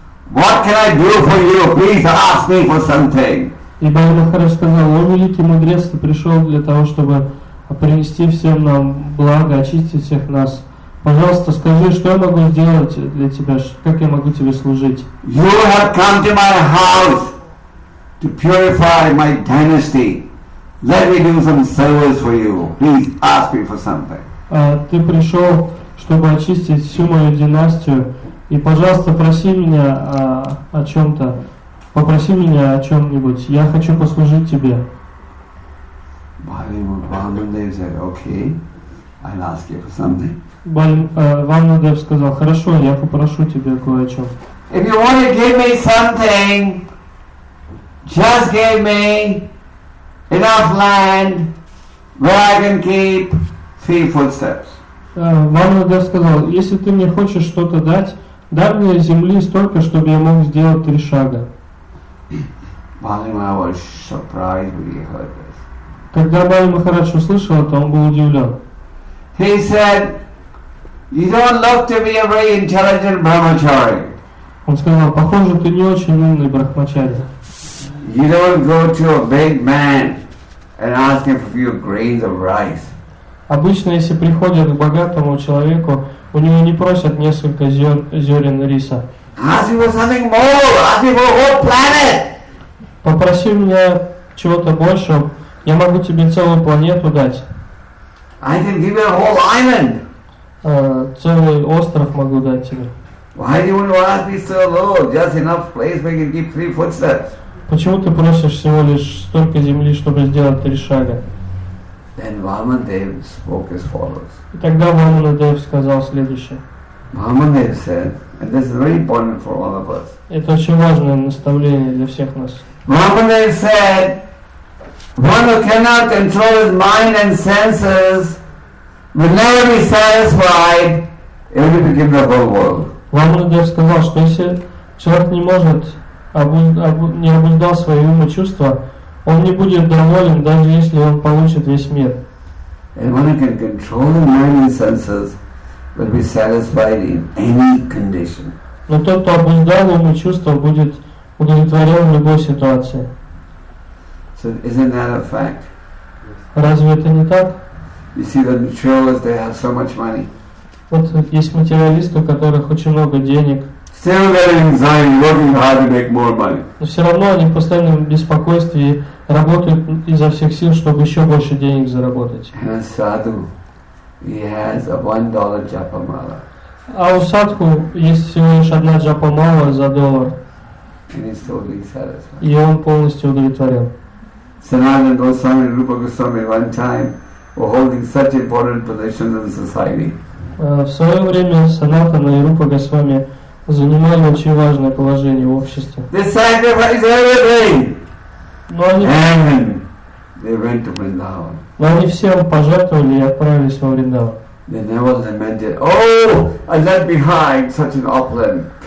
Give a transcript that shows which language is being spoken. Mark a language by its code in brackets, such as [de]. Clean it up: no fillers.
[en] What can I do for you? Please ask me for something. [ru] И Бали Махарадж сказал, о великий мудрец, ты пришел для того, чтобы принести всем нам благо, очистить всех нас. Пожалуйста, скажи, что я могу сделать для тебя, как я могу тебе служить? [en] You have come to my house to purify my dynasty. Let me do some service for you. Please ask me for something. [ru] Ты пришел, чтобы очистить всю мою династию, и, пожалуйста, проси меня о чем-то. Попроси меня о чем-нибудь. Я хочу послужить тебе. [en] Vamadev said, okay, I'll ask you for something. [ru] Vamadev сказал, хорошо, я попрошу тебя кое о чем. [en] If you want to give me something, just give me enough land where I can keep three footsteps. [ru] Vamadev сказал, если ты мне хочешь что-то дать, дай мне земли столько, чтобы я мог сделать три шага. [en] Balimah was surprised when he heard this. [ru] Когда Бали Махарадж услышал это, он был удивлен. [en] He said, "You don't look to be a very intelligent brahmachari." [ru] Он сказал, похоже, ты не очень умный брахмачари. [en] You don't go to a big man and ask him for a few grains of rice. [ru] Обычно, если приходят к богатому человеку, у него не просят несколько зерен риса. [en] Ask him for something more. Ask him for a whole planet. [ru] Попроси меня чего-то большего, я могу тебе целую планету дать. [en] I can give you a whole island. [ru] Целый остров могу дать тебе. [en] Why do you want to ask me so low? Just enough place where you can keep three footsteps. [ru] Почему ты просишь всего лишь столько земли, чтобы сделать три шага? [en] Then Vamadev spoke as follows. [ru] И тогда Vamadev сказал следующее. [en] Vamadev said, and this is very important for all of us. [ru] Это очень важное наставление для всех нас. [en] Vamadev said, one who cannot control his mind and senses will never be satisfied if he became the whole world. [ru] Vamadev сказал, что если человек не может не обуздал свои умы и чувства, он не будет доволен, даже если он получит весь мир. [en] And one who can control his mind and senses will be satisfied in any condition. [ru] Но тот, кто обуздал умы и чувства, будет удовлетворен в любой ситуации. [en] So isn't that a fact? [ru] Разве это не так? [en] You see the materialists, they have so much money. [ru] Вот есть материалисты, у которых очень много денег. [en] Still they're anxiety, working hard to make more money. [ru] Но все равно они в постоянном беспокойстве и работают изо всех сил, чтобы еще больше денег заработать. [en] And a sadhu, he has a $1 japa mala. [ru] А у садху есть всего лишь одна джапа мала за доллар. [en] And he's totally satisfied. [ru] И он полностью удовлетворен. [en] Sanatana Goswami and Rupa Goswami one time were holding such important positions in society. [ru] В свое время Санатана и Рупа Госвами занимали очень важное положение в обществе. [en] They sacrificed everything. [ru] Но они, [en] and they went to Vrindavan. [ru] Но они всем пожертвовали и отправились во Вриндаван. [en] They never lamented, "Oh, I left behind such an opulent."